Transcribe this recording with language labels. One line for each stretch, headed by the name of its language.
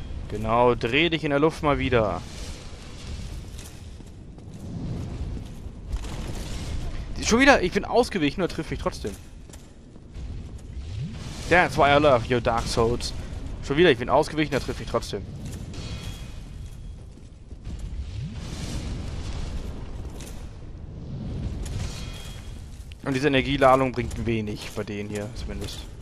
German: Genau, dreh dich in der Luft mal wieder. Schon wieder, ich bin ausgewichen, oder trifft mich trotzdem?
English: That's why I love you, Dark Souls.
German: Schon wieder, ich bin ausgewichen, oder trifft mich trotzdem? Und diese Energieladung bringt wenig bei denen hier, zumindest.